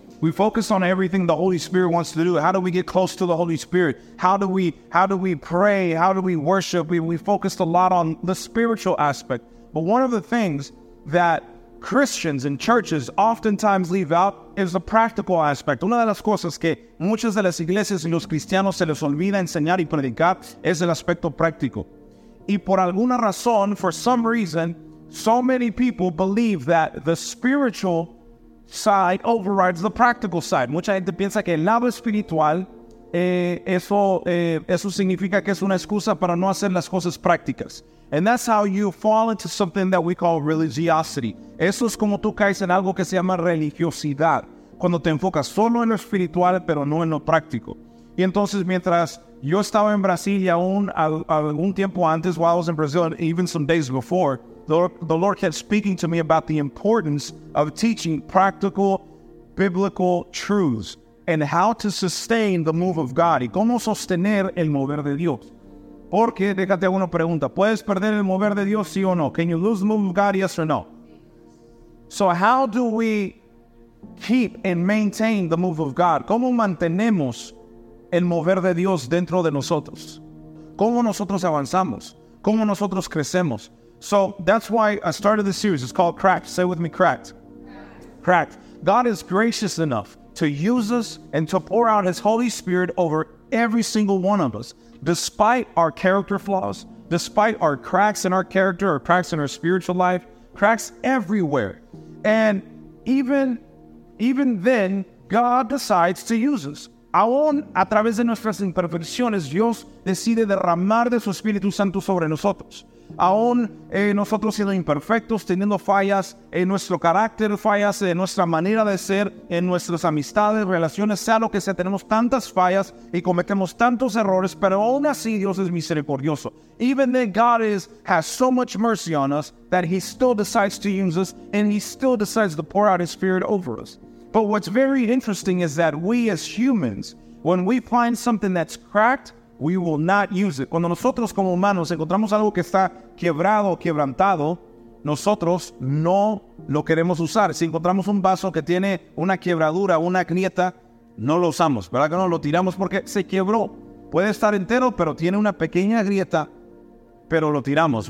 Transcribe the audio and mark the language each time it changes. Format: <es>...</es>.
<en>We focused on everything the Holy Spirit wants to do. How do we get close to the Holy Spirit? How do we pray? How do we worship? We focused a lot on the spiritual aspect. But one of the things that Christians and churches oftentimes leave out is the practical aspect.</en> <es>Una de las cosas que muchas de las iglesias y los cristianos se les olvida enseñar y predicar es el aspecto práctico. Y por alguna razón,</es> <en>for some reason, so many people believe that the spiritual side overrides the practical side.</en> <es>Mucha gente piensa que el lado espiritual, eso significa que es una excusa para no hacer las cosas prácticas.</es> <en>And that's how you fall into something that we call religiosity.</en> <es>Eso es como tú caes en algo que se llama religiosidad. Cuando te enfocas solo en lo espiritual, pero no en lo práctico. Y entonces, mientras yo estaba en Brasil y aún algún tiempo antes,</es> <en>while I was in Brazil, and even some days before, the Lord kept speaking to me about the importance of teaching practical biblical truths and how to sustain the move of God.</en> <es>Y cómo sostener el mover de Dios. Porque, déjate una pregunta, ¿puedes perder el mover de Dios, sí o no?</es> <en>Can you lose the move of God, yes or no? So how do we keep and maintain the move of God?</en> <es>¿Cómo mantenemos el mover de Dios dentro de nosotros? ¿Cómo nosotros avanzamos? ¿Cómo nosotros crecemos?</es> <en>So that's why I started this series. It's called Cracked. Say with me, Cracked. Cracked. God is gracious enough to use us and to pour out His Holy Spirit over every single one of us. Despite our character flaws, despite our cracks in our character, or cracks in our spiritual life, cracks everywhere. And even then, God decides to use us.</en> <es>Aún a través de nuestras imperfecciones, Dios decide derramar de su Espíritu Santo sobre nosotros. Aún nosotros siendo imperfectos, teniendo fallas en nuestro carácter, fallas en nuestra manera de ser, en nuestras amistades, relaciones, sea lo que sea, tenemos tantas fallas y cometemos tantos errores, pero aún así Dios es misericordioso.</es> <en>Even then God has so much mercy on us that He still decides to use us and He still decides to pour out His Spirit over us. But what's very interesting is that we as humans, when we find something that's cracked, we will not use it.</en> <es>Cuando nosotros como humanos encontramos algo que está quebrado o quebrantado, nosotros no lo queremos usar. Si encontramos un vaso que tiene una quebradura, una grieta, no lo usamos. ¿Verdad que no? Lo tiramos porque se quebró. Puede estar entero, pero tiene una pequeña grieta, pero lo tiramos.</es>